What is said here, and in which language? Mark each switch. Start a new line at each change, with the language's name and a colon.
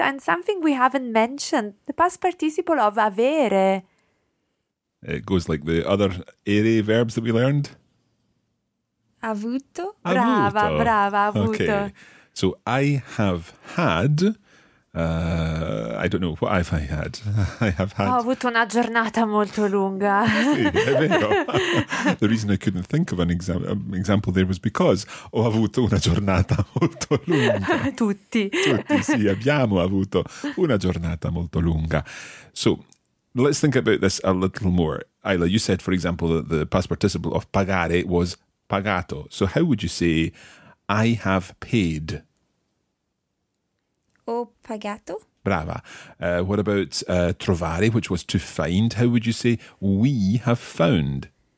English: And something we haven't mentioned, the past participle of avere. It goes like the other ere verbs that we learned.
Italian: Avuto. Brava, avuto.
English: Okay. So I have had... I don't know, what have I had? I have had...
Italian: Ho avuto una giornata molto lunga. Sì, è vero.
English: The reason I couldn't think of an example there was because
Italian: ho avuto una giornata molto lunga. Tutti. Tutti, sì, abbiamo avuto una giornata molto lunga.
English: So, let's think about this a little more. Ayla, you said, for example, that the past participle of pagare was pagato. So how would you say, I have paid...
Italian: Ho pagato. Brava.
English: What about trovare, which was to find? How would you say we have found?